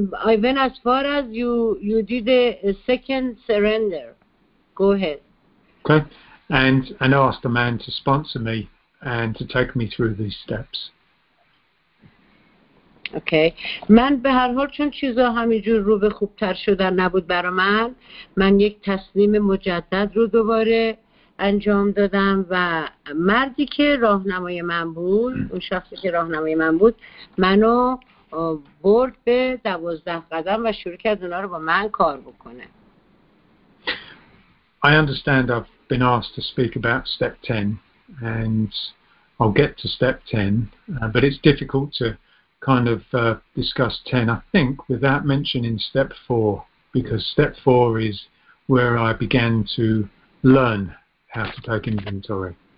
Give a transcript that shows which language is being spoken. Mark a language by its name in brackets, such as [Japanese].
[English] I went as far as you did a second surrender. Go ahead. Okay. And I asked the man to sponsor me and to take me through these steps. [Persian] اوکی من به هر حال چون چیزا همینجور رو به خوبتر شدن نبود برای من، من یک تسلیم مجدد رو دوباره انجام دادم و مردی که راهنمای من بود، اون شخصی که راهنمای من بود، منو برد به 12 قدم و شروع کرد اونا رو با من کار بکنه. [English] I understand I've been asked to speak about step 10 and I'll get to step 10 but it's difficult to kind of discuss 10, I think, without mentioning step 4, because step 4 is where I began to learn how to take inventory.